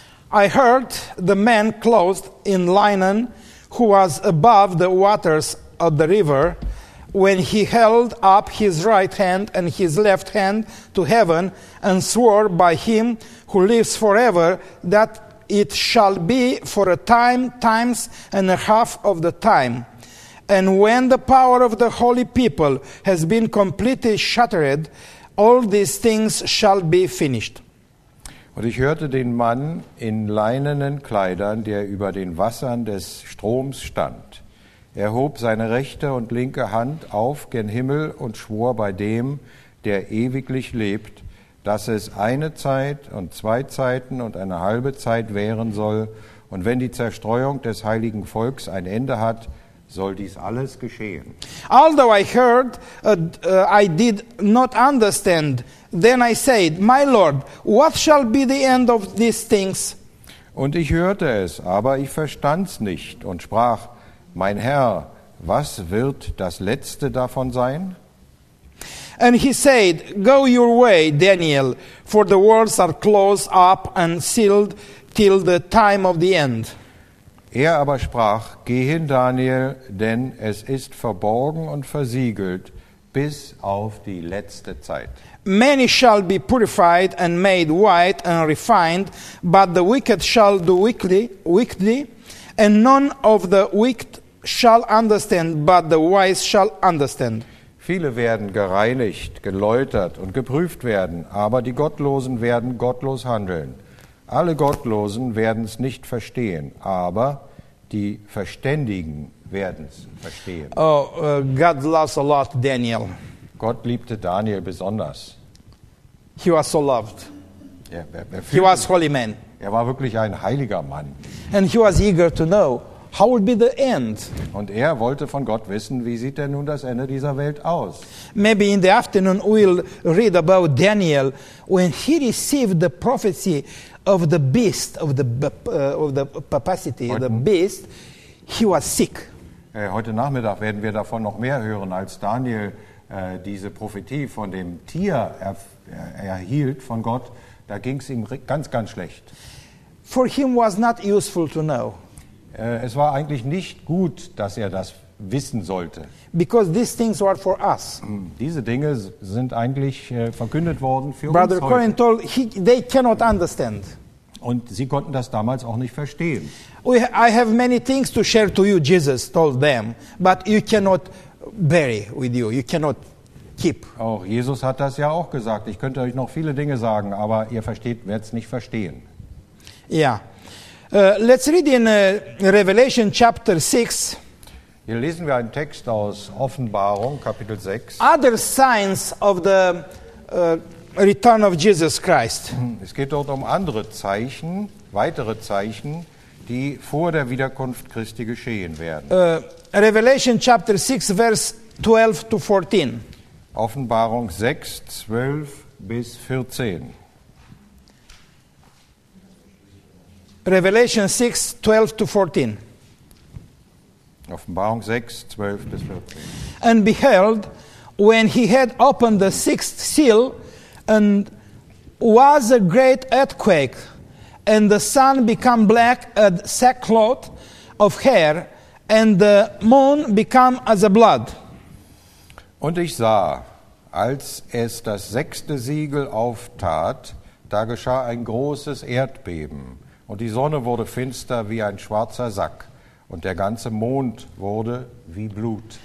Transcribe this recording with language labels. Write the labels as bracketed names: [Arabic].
[English] I heard the man clothed in linen who was above the waters of the river, when he held up his right hand and his left hand to heaven and swore by him who lives forever that it shall be for a time, times and a half of the time. And when the power of the holy people has been completely shattered, all these things shall be finished. [German] Und ich hörte den Mann in leinenen Kleidern, der über den Wassern des Stroms stand. Er hob seine rechte und linke Hand auf gen Himmel und schwor bei dem, der ewiglich lebt, dass es eine Zeit und zwei Zeiten und eine halbe Zeit währen soll. Und wenn die Zerstreuung des heiligen Volks ein Ende hat, soll dies alles geschehen. [English] Although I heard, I did not understand. Then I said, my Lord, what shall be the end of these things? [German] Und ich hörte es, aber ich verstand's nicht und sprach, mein Herr, was wird das Letzte davon sein? [English] And he said, go your way, Daniel, for the words are closed up and sealed till the time of the end. [German] Er aber sprach, geh hin, Daniel, denn es ist verborgen und versiegelt bis auf die letzte Zeit. [English] Many shall be purified and made white and refined, but the wicked shall do wickedly, and none of the wicked shall understand, but the wise shall understand. [German] Viele werden gereinigt, geläutert und geprüft werden, aber die Gottlosen werden gottlos handeln. Alle Gottlosen werden es nicht verstehen, aber die Verständigen werden es verstehen. [English] Oh, God loves a lot Daniel. [German] Gott liebte Daniel besonders. [English] He was so loved. [German] Er [English] he was holy man. [German] Er war wirklich ein heiliger Mann. [English] And he was eager to know how will be the end. [German] Und er wollte von Gott wissen, wie sieht denn nun das Ende dieser Welt aus? [English] Maybe in the afternoon we'll read about Daniel when he received the prophecy of the beast of the papacy, the beast. he was sick. [German] Heute Nachmittag werden wir davon noch mehr hören, als Daniel diese Prophetie von dem Tier erhielt von Gott. Da ging es ihm ganz, ganz schlecht. [English] For him was not useful to know. [German] Es war eigentlich nicht gut, dass er das wissen sollte. [English] Because these things were for us. [German] Diese Dinge sind eigentlich verkündet worden für [English] Brother [German] uns heute. [English] Brother Corin told, they cannot understand. [German] Und sie konnten das damals auch nicht verstehen. [English] I have many things to share to you, Jesus told them, but you cannot bury with you, you cannot keep. [German] Auch Jesus hat das ja auch gesagt, ich könnte euch noch viele Dinge sagen, aber ihr versteht, werdet es nicht verstehen. Yeah. [English] Let's read in Revelation chapter 6. [German] Hier lesen wir einen Text aus Offenbarung, Kapitel 6. [English] Other signs of the return of Jesus Christ. [German] Es geht dort um andere Zeichen, weitere Zeichen, die vor der Wiederkunft Christi geschehen werden. [English] Revelation chapter 6, verse 12 to 14. [German] Offenbarung 6, 12 bis 14. [English] Revelation 6, 12 to 14. [German] Offenbarung 6, 12 bis 14. And behold, when he had opened the sixth seal, and was a great earthquake, and the sun became black as sackcloth of hair, and the moon became as a blood. Und ich sah, als es das sechste Siegel auftat, da geschah ein großes Erdbeben, und die Sonne wurde finster wie ein schwarzer Sack. Und der ganze Mond wurde wie Blut.